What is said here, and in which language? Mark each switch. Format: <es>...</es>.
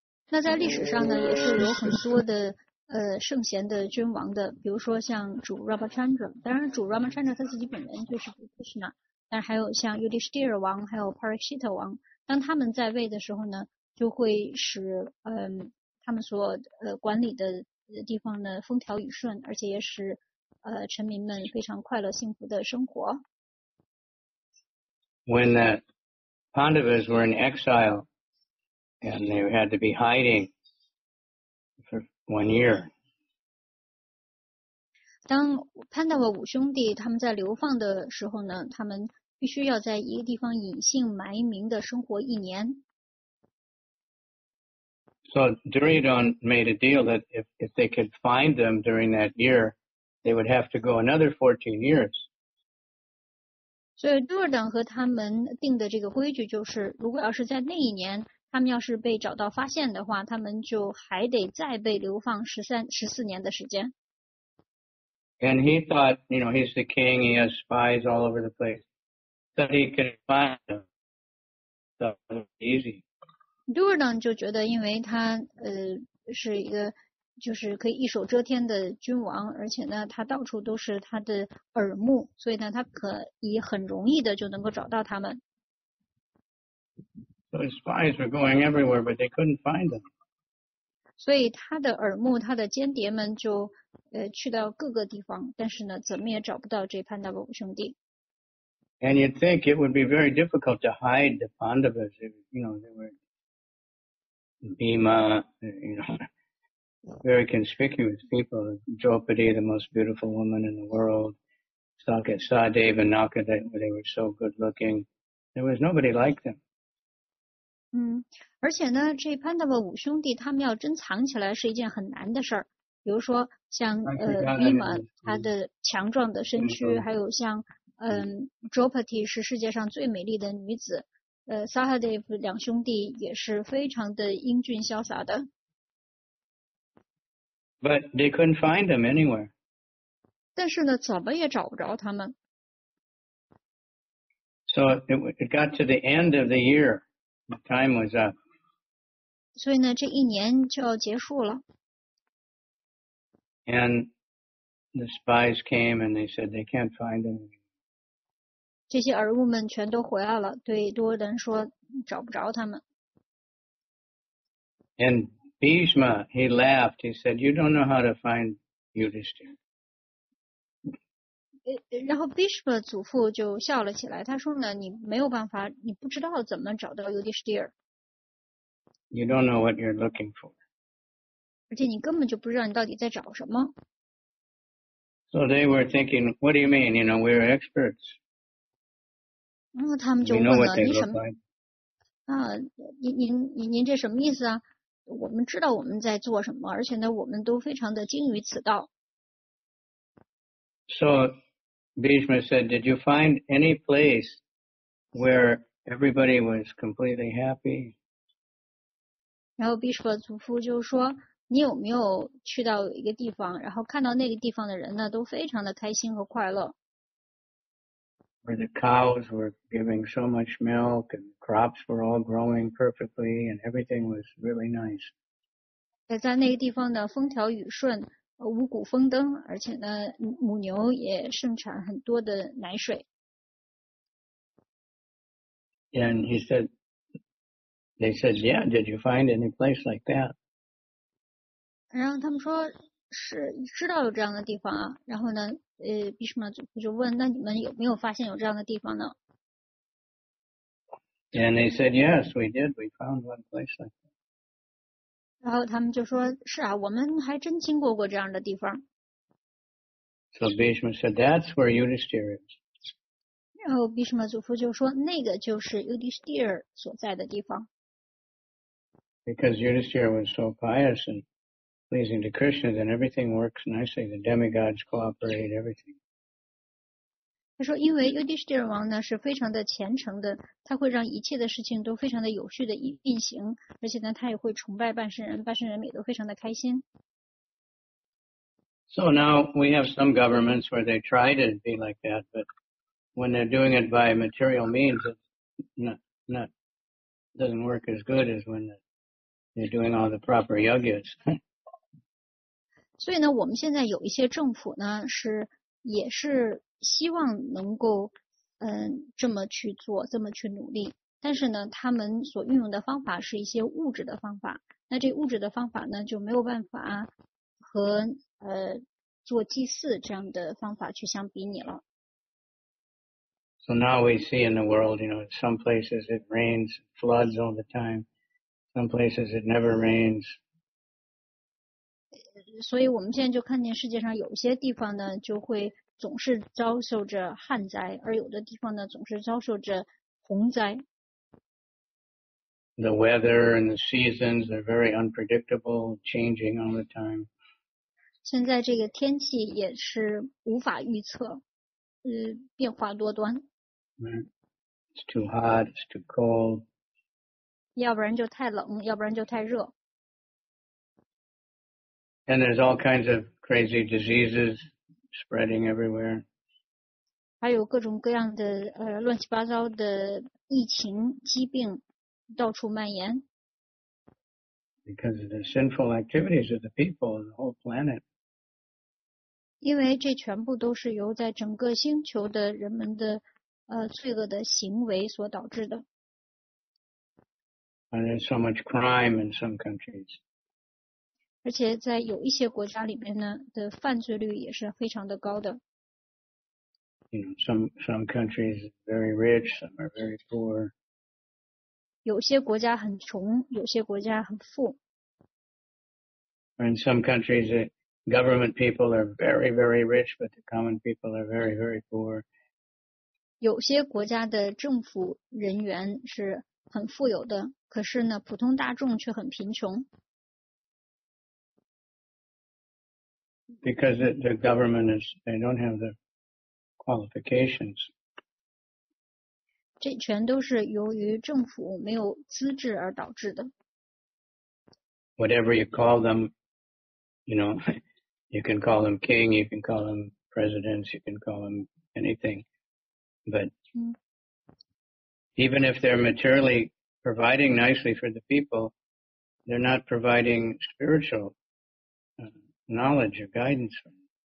<zh>那在历史上呢，也是有很多的圣贤的君王的，比如说像主 Ramachandra， 当然主 Ramachandra 他自己本人就是 Krishna， 但是还有像 Yudhisthira 王，还有 Parikshit 王，当他们在位的时候呢，就会使他们所管理的地方呢风调雨顺，而且也使臣民们非常快乐幸福的生活。</zh> <en>When the Pandavas were in exile and they had to be hiding for one year.</en> <zh>当 Pandava 五兄弟他们在流放的时候呢，他们必须要在一个地方隐姓埋名的生活一年。</zh> <en>So Duryodhana made a deal that if they could find them during that year, they would have to go another 14 years.</en> <zh>所以 Duryodhana 和他们定的这个规矩就是，如果要是在那一年他们要是被找到发现的话，他们就还得再被流放14年的时间。</zh> <en>And he thought, you know, he's the king, he has spies all over the place, so he can find them. So easy.</en> <zh>Duryodhana 就觉得，因为他是一个就是可以一手遮天的君王，而且呢，他到处都是他的耳目，所以呢，他可以很容易的就能够找到他们。</zh> <en>So his spies were going everywhere, but they couldn't find them.</en> <zh>所以他的耳目，他的间谍们就去到各个地方，但是呢，怎么也找不到这Pandava兄弟。</zh> <en>And you'd think it would be very difficult to hide the Pandavas. You know, they were Bhima, you know, very conspicuous people. Draupadi, the most beautiful woman in the world. Sahadeva and Naka, they were so good looking. There was nobody like them.</en> <zh>而且呢，这潘达瓦五兄弟他们要珍藏起来是一件很难的事儿。比如说像Bhima，他的强壮的身躯，还有像Draupadi 是世界上最美丽的女子，Sahadev 两兄弟也是非常的英俊潇洒的。</zh> <en>But they couldn't find them anywhere.</en> <zh>但是呢，怎么也找不着他们。</zh> <en>So it got to the end of the year. The time was up.</en> <zh>所以呢，这一年就要结束了。</zh> <en>And the spies came and they said they can't find them.</en> <zh>这些耳物们全都回来了，对多人说找不着他们。</zh> <en>And Bhishma, he laughed. He said, "You don't know how to find Yudhishthira."</en> <zh>然后 Bhishma 祖父就笑了起来，他说呢，你没有办法，你不知道怎么找到 Yudhishthira。</zh> <en>You don't know what you're looking for.</en> <zh>而且你根本就不知道你到底在找什么。</zh> <en>So they were thinking, "What do you mean? You know, we're experts."</en> <zh>然后他们就问了，您这什么意思啊？我们知道我们在做什么，而且呢，我们都非常的精于此道。</zh> <en>So Bhishma said, "Did you find any place where everybody was completely happy?"</en> <zh>然后 Bhishma 祖父就说，你有没有去到一个地方，然后看到那个地方的人呢，都非常的开心和快乐。</zh> <en>Where the cows were giving so much milk and crops were all growing perfectly and everything was really nice.</en> <zh>在那个地方呢，风调雨顺，五谷丰登，而且呢，母牛也盛产很多的奶水。</zh> <en>And he said, they said, yeah, did you find any place like that?</en> <zh>然后他们说，是知道有这样的地方啊，然后呢，Bhishma 祖父就问，那你们有没有发现有这样的地方呢？</zh> <en>And they said, yes, we did, we found one place like that.</en> <zh>然后他们就说，是啊，我们还真经过过这样的地方。</zh> <en>So Bhishma said, that's where Yudhishthira is.</en> <zh>然后 Bhishma 祖父就说，那个就是 Yudhishthira 所在的地方。</zh> <en>Because Yudhishthira was so pious and pleasing to Krishna, then everything works nicely. The demigods cooperate, everything.</en> <zh>他说因为 Yudhishthira 王呢是非常的虔诚的，他会让一切的事情都非常的有序的运行，而且呢他也会崇拜半圣人，半圣人也都非常的开心。</zh> <en>So now we have some governments where they try to be like that, but when they're doing it by material means, it doesn't work as good as when they're doing all the proper yogas.</en> <zh>所以呢，我们现在有一些政府呢，是也是希望能够，这么去做，这么去努力。但是呢，他们所运用的方法是一些物质的方法。那这物质的方法呢，就没有办法和做祭祀这样的方法去相比拟了。</zh> <en>So now we see in the world, you know, some places it rains, floods all the time. Some places it never rains.</en> <zh>所以我们现在就看见世界上有些地方呢就会总是遭受着旱灾，而有的地方呢总是遭受着洪灾。</zh> <en>The weather and the seasons are very unpredictable, changing all the time.</en> <zh>现在这个天气也是无法预测，变化多端。</zh> <en>It's too hot, it's too cold.</en> <zh>要不然就太冷，要不然就太热。</zh> <en>And there's all kinds of crazy diseases spreading everywhere.</en> <zh>还有各种各样的乱七八糟的疫情疾病到处蔓延。</zh> <en>Because of the sinful activities of the people and the whole planet.</en> <zh>因为这全部都是由在整个星球的人们的罪恶的行为所导致的。</zh> <en>And there's so much crime in some countries.</en> <zh>而且在有一些国家里面呢的犯罪率也是非常的高的。</zh> <en>You know, some countries are very rich, some are very poor.</en> <zh>有些国家很穷，有些国家很富。</zh> <en>In some countries, the government people are very, very rich, but the common people are very, very poor.</en> <zh>有些国家的政府人员是很富有的，可是呢，普通大众却很贫穷。</zh> <en>Because the government is, they don't have the qualifications.</en> <zh>这全都是由于政府没有资质而导致的。</zh> <en>Whatever you call them, you know, you can call them king, you can call them presidents, you can call them anything. But even if they're materially providing nicely for the people, they're not providing spiritual knowledge or guidance for them.</en>